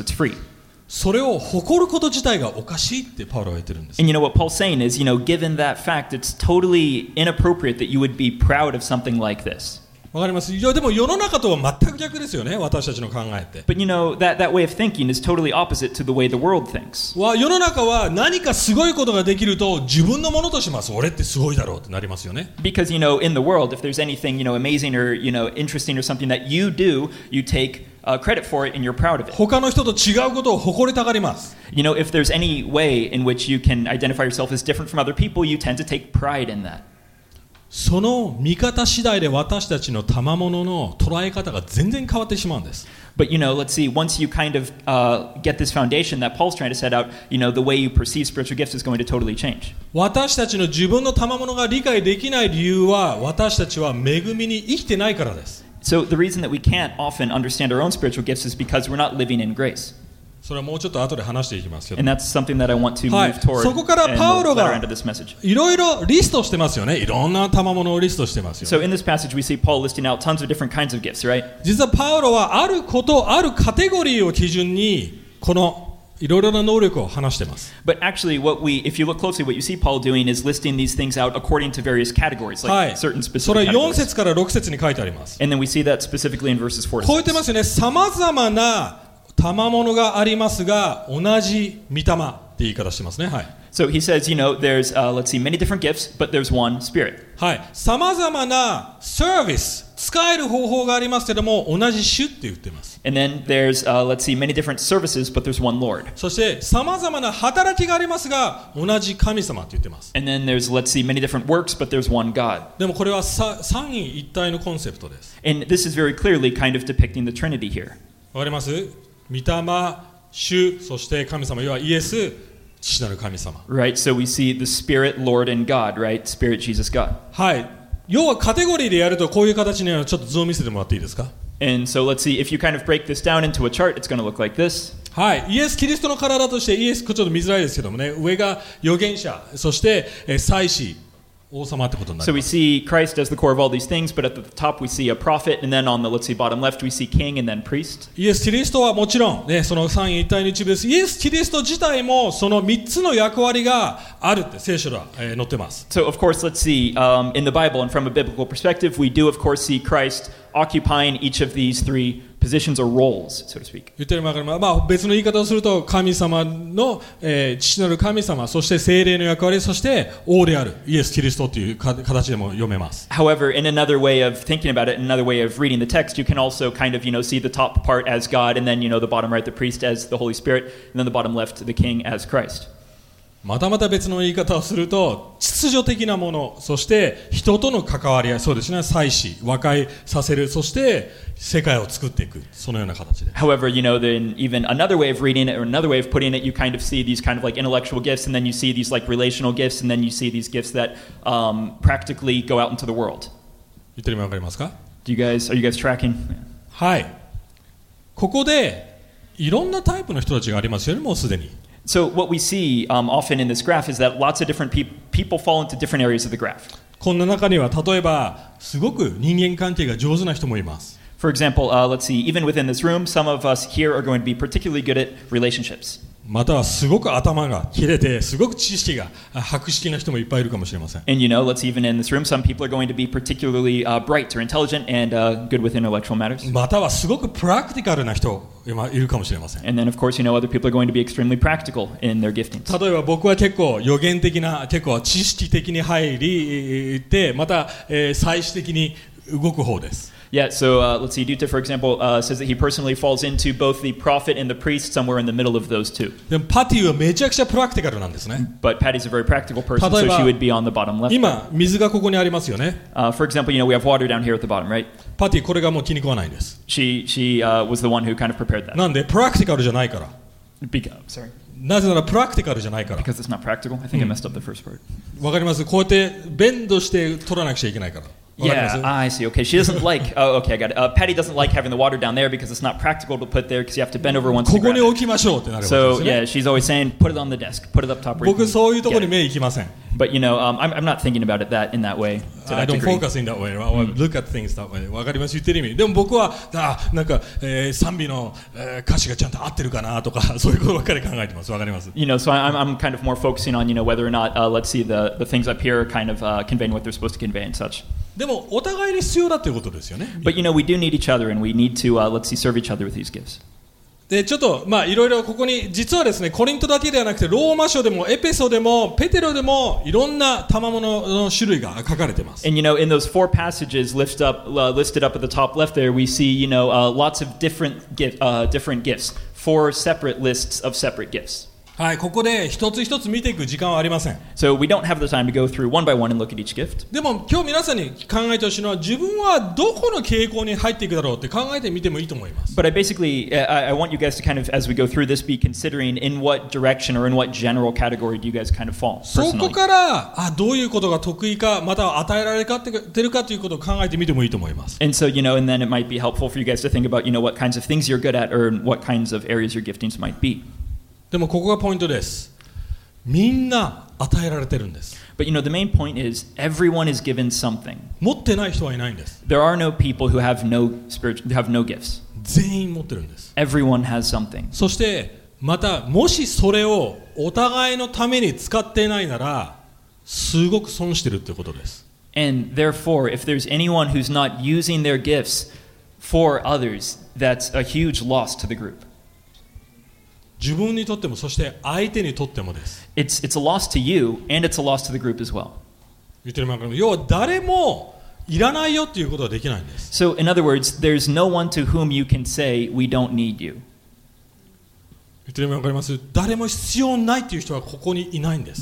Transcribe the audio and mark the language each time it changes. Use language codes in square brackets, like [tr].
[en] It's free. [ja] それを誇ること自体がおかしいってパウロは言ってるんです。 [en] And you know what Paul's saying is, you know, given that fact, it's totally inappropriate that you would be proud of something like this. [ja] わかります。いやでも世の中とは全く逆ですよね。私たちの考えって。 [en] But you know that way of thinking is totally opposite to the way the world thinks. [ja] わ、世の中は何かすごいことができると自分のものとします。俺ってすごいだろうってなりますよね。 [en] Because you know in the world if there's anything you know amazing or you know interesting or something that you do, you take credit for it and you're proud of it. [ja] 他の人と違うことを誇りたがります。 [en] You know if there's any way in which you can identify yourself as different from other people, you tend to take pride in that. [ja] その見方次第で私たちの賜物の捉え方が全然変わってしまうんです。 [en] But, you know, let's see, once you kind of get this foundation that Paul's trying to set out, you know, the way you perceive spiritual gifts is going to totally change. [ja] 私たちの自分の賜物が理解できない理由は、私たちは恵みに生きてないからです。 [en] So the reason that we can't often understand our own spiritual gifts is because we're not living in grace. [ja] それはもうちょっと後で話していきますけど。 [en] And that's something that I want to move toward. [ja] そこからパウロがいろいろリストしてますよね。いろんな賜物をリストしてますよ。 [en] So in this passage we see Paul listing out tons of different kinds of gifts, right? [ja] 実はパウロはあることあるカテゴリーを基準にこのいろいろな能力を話してます。 [en] But actually, if you look closely, what you see Paul doing is listing these things out according to various categories, like certain specific categories. [ja] それは4節から6節に書いてあります。 [en] And then we see that specifically in verses 4 to 6. [ja] こう言ってますよね。さまざまな賜物がありますが、同じ御霊って言い方してますね。はい。 [en] So he says, you know, there's, let's see, many different gifts, but there's one spirit. [ja] はい。さまざまなサービス、使える方法がありますけども、同じ主って言ってます。 [en] And then there's, let's see, many different services, but there's one Lord. [ja] そして、さまざまな働きがありますが、同じ神様って言ってます。 [en] And then there's, let's see, many different works, but there's one God. [ja] でもこれは三位一体のコンセプトです。 [en] And this is very clearly kind of depicting the Trinity here. [ja] わかります? 御霊、主、そして神様、要はイエス、父なる神様。 [en] Right, so we see the Spirit, Lord, and God, right? Spirit, Jesus, God. [ja] はい。要はカテゴリーでやると、こういう形にちょっと図を見せてもらっていいですか? [en] And so let's see, if you kind of break this down into a chart, it's going to look like this. [ja] はい。イエス、キリストの体として、イエス、ちょっと見づらいですけどもね、上が預言者、そして祭司。 [en] So we see Christ as the core of all these things, but at the top we see a prophet, and then on the, let's see, bottom left we see king and then priest. [ja] イエス・キリストはもちろん、ね、その三位一体の一部です。イエス・キリスト自体もその三つの役割があるって聖書では、載ってます。 [en] So of course, let's see, in the Bible and from a biblical perspective, we do of course see Christ occupying each of these three positions or roles, so to speak. [ja] 言ってるのわかります。まあ別の言い方をすると、神様の、父なる神様、そして聖霊の役割、そして王であるイエス・キリストという形でも読めます。 [en] However, in another way of thinking about it, another way of reading the text, you can also kind of, you know, see the top part as God, and then, you know, the bottom right, the priest as the Holy Spirit, and then the bottom left, the king as Christ. [ja] またまた別の言い方をすると、秩序的なもの、そして人との関わり合い、そうですね、祭司、和解させる、そして世界を作っていく、そのような形で。 [en] However, you know, then even another way of reading it or another way of putting it, you kind of see these kind of like intellectual gifts, and then you see these like relational gifts, and then you see these gifts that practically go out into the world. [ja] 言ってるのわかりますか? [en] Do you guys, are you guys tracking? [ja] はい。ここでいろんなタイプの人たちがありますよね、もうすでに。 [en] So what we see often in this graph is that lots of different people fall into different areas of the graph. [ja] こんな中には例えばすごく人間関係が上手な人もいます。 [en] For example, let's see, even within this room, some of us here are going to be particularly good at relationships. [ja] またはすごく頭が切れてすごく知識が博識な人もいっぱいいるかもしれません。 [en] And you know, let's even in this room, some people are going to be particularly bright or intelligent and good with intellectual matters. [ja] またはすごくプラクティカルな人もいるかもしれません。 [en] And then of course, you know, other people are going to be extremely practical in their giftings. [ja] 例えば僕は結構予言的な、結構知識的に入りて、また、祭祀的に動く方です。 [en] Yeah, so let's see. Dutta, for example, says that he personally falls into both the prophet and the priest somewhere in the middle of those two. [ja] でもパティはめちゃくちゃプラクティカルなんですね。 [en] But Patty's a very practical person, so she would be on the bottom left. [ja] 今水がここにありますよね。 [en] For example, you know, we have water down here at the bottom, right? [ja] パティこれがもう気に食わないんです。 [en] She was the one who kind of prepared that. [ja] なんでプラクティカルじゃないから。 [en] Because, sorry. [ja] なぜならプラクティカルじゃないから。 [en] Because it's not practical. I think I messed up the first word. [ja] わかります。こうやってベンドして取らなくちゃいけないから。 [en] Yeah, I see. Okay, she doesn't like. Oh, okay, I got it. Patty doesn't like having the water down there because it's not practical to put there because you have to bend over once. [ja] ここに置きましょうってなるわけですね。 [en] So yeah, she's always saying, put it on the desk, put it up top. [ja] 僕そういうところに目行きません。 [en] But you know, I'm not thinking about it that in that way. I don't focus in that way. I look at things that way. [ja] わかります言ってる意味。でも僕はなんか賛美の歌詞がちゃんと合ってるかなとかそういうことばっかり考えてます。わかります。 [en] You know, so I'm kind of more focusing on, you know, whether or not let's see the things up here kind of conveying what they're supposed to convey and such. [ja] でもお互いに必要だということですよね。 [en] But you know, we do need each other and we need to, let's see, serve each other with these gifts. [ja] で、ちょっと、まあ、いろいろここに、実はですね、コリントだけではなくて、ローマ書でも、エペソでも、ペテロでも、いろんな賜物の種類が書かれてます。 [en] And you know, in those four passages listed up at the top left there, we see, you know, lots of different gifts, four separate lists of separate gifts. [ja] はい、ここで一つ一つ見ていく時間はありません。 [en] So we don't have the time to go through one by one and look at each gift. [ja] でも今日皆さんに考えてほしいのは、自分はどこの傾向に入っていくだろうって考えてみてもいいと思います。 [en] But I basically, I want you guys to kind of, as we go through this, be considering in what direction or in what general category do you guys kind of fall personally. [ja] そこから、どういうことが得意か、または与えられてるかということを考えてみてもいいと思います。 [en] And so, you know, and then it might be helpful for you guys to think about, you know, what kinds of things you're good at or what kinds of areas your giftings might be. [ja] でもここがポイントです。みんな与えられてるんです。 [en] But you know, the main point is everyone is given something. [ja] 持ってない人はいないんです。 [en] There are no people who have no spiritual, have no gifts. [ja] 全員持ってるんです。 [en] Everyone has something. [ja] そしてまたもしそれをお互いのために使ってないなら、すごく損してるってことです。 [en] And therefore, if there's anyone who's not using their gifts for others, that's a huge loss to the group. [ja] 自分にとっても、そして相手にとってもです。 [en] It's a loss to you, and it's a loss to the group as well. [ja] 言ってるまま、要は誰もいらないよっていうことはできないんです。 [en] So, in other words, there's no one to whom you can say, we don't need you. [ja] 言ってるまま、わかります。誰も必要ないっていう人はここにいないんです。